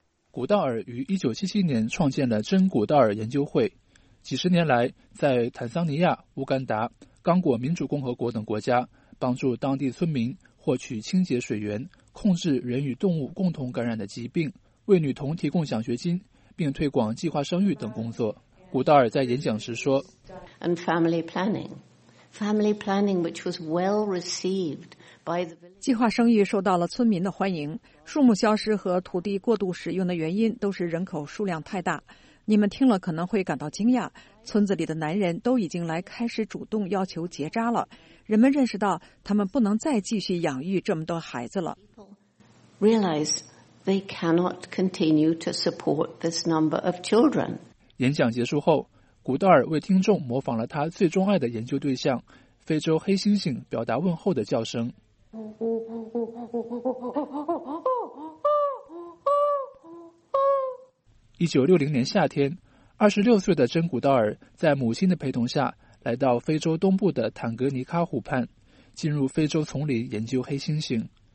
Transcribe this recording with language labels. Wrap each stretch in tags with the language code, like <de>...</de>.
<zh>古道尔于1977年创建了珍·古道尔研究会，几十年来在坦桑尼亚、乌干达、刚果民主共和国等国家帮助当地村民获取清洁水源，控制人与动物共同感染的疾病，为女童提供奖学金，并推广计划生育等工作。古道尔在演讲时说</zh> <en>：“And family planning, which was well received by the</en> <zh>计划生育受到了村民的欢迎。树木消失和土地过度使用的原因都是人口数量太大。你们听了可能会感到惊讶，村子里的男人都已经来开始主动要求结扎了。人们认识到他们不能再继续养育这么多孩子了。</zh> <en>Realize they cannot continue to support this number of children.”</en> <zh>演讲结束后，古道尔为听众模仿了他最钟爱的研究对象——非洲黑猩猩表达问候的叫声。 1960年夏天，26岁的珍·古道尔在母亲的陪同下来到非洲东部的坦格尼喀湖畔，进入非洲丛林研究黑猩猩。</zh>